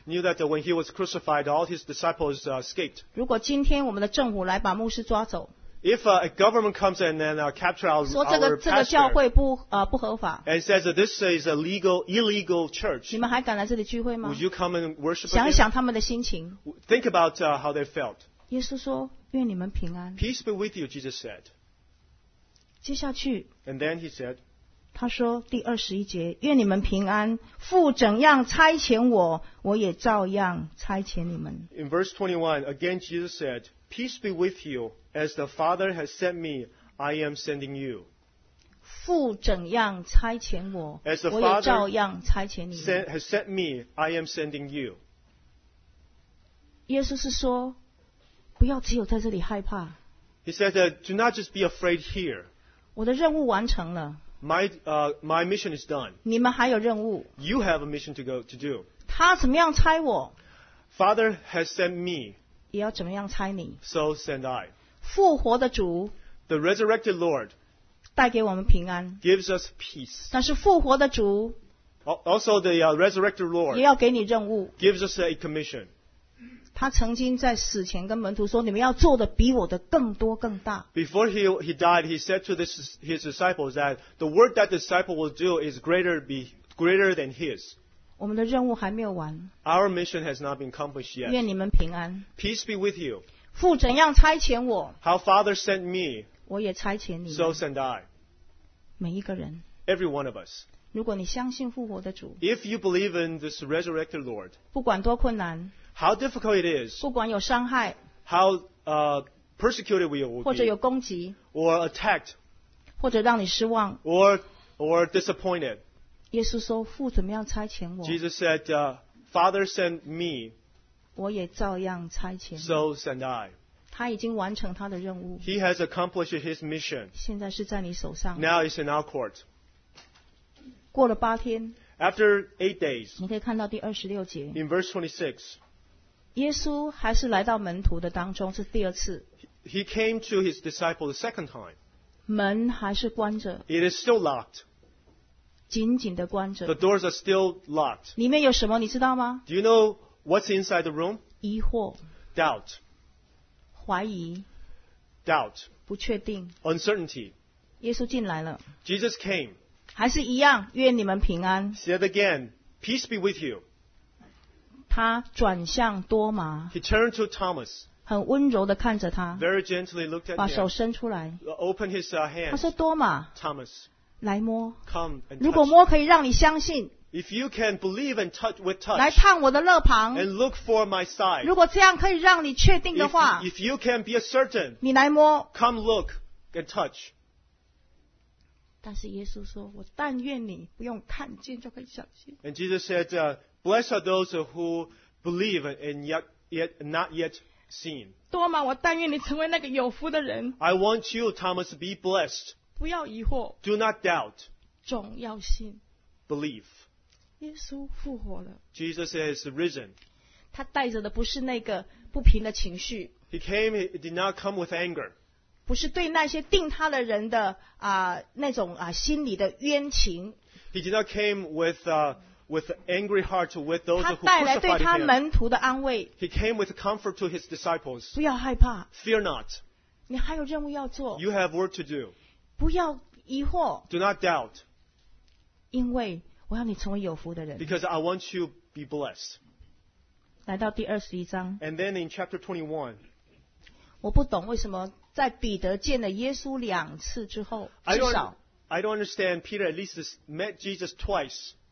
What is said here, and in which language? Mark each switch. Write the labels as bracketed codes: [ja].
[en] Knew that when he was crucified, all his disciples escaped. [zh] 如果今天我们的政府来把牧师抓走 [en] ，If a government comes and then capture our pastor, [zh] 说这个教会不合法 [en] ，and says that this is a illegal church. [zh] 你们还敢来这里聚会吗 [en] ？Would you come and worship? [zh] 想一想他们的心情。 [en] Think about how they felt. [zh] 耶稣说：“愿你们平安。 [en] ”Peace be with you, Jesus said. [zh] 接下去 [en] ，And then he said. [zh] 他说第二十一节愿你们平安父怎样差遣我我也照样差遣你们 [en] In verse 21 again Jesus said Peace be with you as the Father has sent me I am sending you [zh] 父怎样差遣我 [en] as the Father [zh] 我也照样差遣你们 [en] has sent me I am sending you [zh] 耶稣是说不要只有在这里害怕 [en] He said that do not just be afraid here [zh] 我的任务完成了 [en] My mission is done. [zh] 你们还有任务。 [en] You have a mission to do. [zh] 他怎么样差我 [en] ？Father has sent me. [zh] 也要怎么样差你 [en] ？So send I. [zh] 复活的主 [en] ，The resurrected Lord， [zh] 带给我们平安。 [en] Gives us peace. [zh] 但是复活的主 [en] ，Also the resurrected Lord， [zh] 也要给你任务。 [en] Gives us a commission. [zh] 他曾经在死前跟门徒说：“你们要做的比我的更多更大。” [en] Before he died, he said to his disciples that the work that the disciple will do is greater than his. [zh] 我们的任务还没有完。 [en] Our mission has not been accomplished yet. [zh] 愿你们平安。 [en] Peace be with you. [zh] 父怎样差遣我 [en] ？How Father sent me. [zh] 我也差遣你。 [en] So send I. [zh] 每一个人。 [en] Every one of us. [zh] 如果你相信复活的主 [en] ，If you believe in this resurrected Lord, [zh] 不管多困难。 [en] How difficult it is. [zh] 不管有伤害 [en] How persecuted we will be. [zh] 或者有攻击 [en] Or attacked. [zh] 或者让你失望 [en] Or disappointed. [zh] 耶稣说父怎么样差遣我。 [en] Jesus said, Father sent me. [zh] 我也照样差遣。 [en] So send I. [zh] 他已经完成他的任务。 [en] He has accomplished his mission. [zh] 现在是在你手上。 [en] Now it's in our court. [zh] 过了八天。 [en] After 8 days. [zh] 你可以看到第二十六节。 [en] In verse 26. [zh] 耶稣还是来到门徒的当中，是第二次。 [en] He came to his disciple the second time. [zh] 门还是关着。 [en] It is still locked. [zh] 紧紧地关着。 [en] The doors are still locked. [zh] 里面有什么你知道吗？ [en] Do you know what's inside the room? [zh] 疑惑。 [en] Doubt. [zh] 怀疑。 [en] Doubt. [zh] 不确定。 [en] Uncertainty. [zh] 耶稣进来了。 [en] Jesus came. [zh] 还是一样，愿你们平安。 [en] Said again, peace be with you. [zh] 他转向多马。 [en] He turned to Thomas. [zh] 很温柔地看着他。 [en] Very gently looked at him. [zh] 把手伸出来。 [en] Open his hand. [zh] 他说多马。 [en] Thomas. [zh] 来摸 [en] Come and touch. [zh] 如果摸可以让你相信 [en] If you can believe and touch with touch, [zh] 来烫我的肋旁 [en] and look for my side, [zh] 如果这样可以让你确定的话 [en] if you can be certain, [zh] 你来摸 [en] Come look and touch. [zh] 但是耶稣说我但愿你不用看见就可以相信 [en] And Jesus said, blessed are those who believe and yet not yet seen. [zh] 多玛我但愿你成为那个有福的人 [en] I want you, Thomas, to be blessed. [zh] 不要疑惑 [en] Do not doubt. [zh] 总要信 [en] Believe. [zh] 耶稣复活了 [en] Jesus has risen. [zh] 他带着的不是那个不平的情绪 [en] He came, he did not come with anger. [zh] 不是对那些定他的人的、那种、心里的冤情 [en] He did not came with,、with angry heart with those who crucified him. [zh] 他带来对他门徒的安慰 [en] He came with comfort to his disciples. [zh] 不要害怕 [en] Fear not. [zh] 你还有任务要做 [en] You have work to do. [zh] 不要疑惑 [en] Do not doubt. [zh] 因为我要你成为有福的人 [en] Because I want you to be blessed. [zh] 来到第二十一章 [en] And then in chapter 21. [zh] 我不懂为什么在彼得见了耶稣两次之后至少 [en] I don't understand Peter at least met Jesus twice.